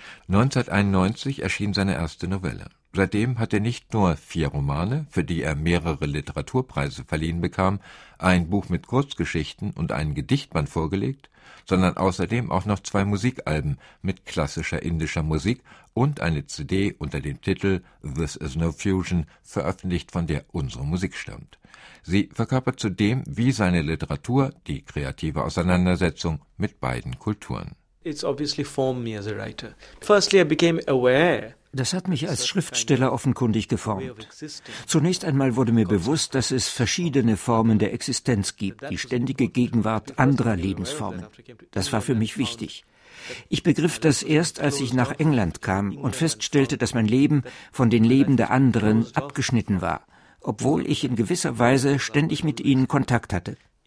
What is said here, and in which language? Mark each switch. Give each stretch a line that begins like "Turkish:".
German: 1991 erschien seine erste Novelle. Seitdem hat er nicht nur vier Romane, für die er mehrere Literaturpreise verliehen bekam, ein Buch mit Kurzgeschichten und ein Gedichtband vorgelegt, sondern außerdem auch noch zwei Musikalben mit klassischer indischer Musik und eine CD unter dem Titel »This is no Fusion« veröffentlicht, von der unsere Musik stammt. Sie verkörpert zudem, wie seine Literatur, die kreative Auseinandersetzung mit beiden Kulturen.
English: It's obviously formed me as a writer. Firstly, I became aware.
German: Das hat mich als Schriftsteller offenkundig geformt. Zunächst einmal wurde mir bewusst, dass es verschiedene Formen der Existenz gibt, die ständige Gegenwart anderer Lebensformen. Das war für mich wichtig. Ich begriff das erst, als ich nach England kam und feststellte, dass mein Leben von den Leben der anderen abgeschnitten war, obwohl ich in gewisser Weise ständig mit ihnen Kontakt hatte.